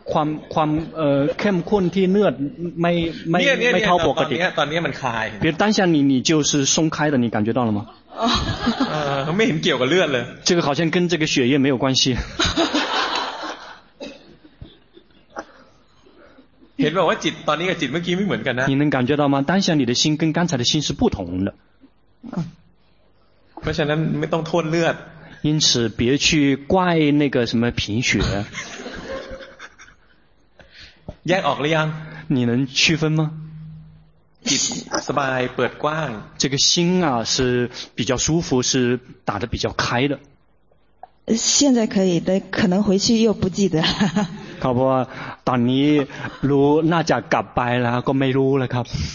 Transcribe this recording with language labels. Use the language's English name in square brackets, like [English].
[Thai] ความเข้มข้นที่เนื้อไม่เท่าปกติ ตอนนี้มันคลาย [Chinese] 比如当下你就是松开的你感觉到了吗 [Thai] ไม่เห็นเกี่ยวกับเลือดเลย [Chinese] 这个好像跟这个血液没有关系 [Thai] เห็นไหมว่าจิตตอนนี้กับจิตเมื่อกี้ไม่เหมือนกันนะ [Chinese] 你能感觉到吗当下你的心跟刚才的心是不同的 [Thai] เพราะฉะนั้นไม่ต้องโทษเลือด [Chinese] 因此别去怪那个什么贫血 [Thai] แยกออกหรือยัง [Chinese] 你能区分吗 [Thai] จิตสบายเปิดกว้าง [Chinese] 这个心啊是比较舒服是打得比较开的现在可以的可能回去又不记得 [Thai] ครับว่าตอนนี้รู้น่าจะกลับไปแล้วก็ไม่รู้แล้วครับ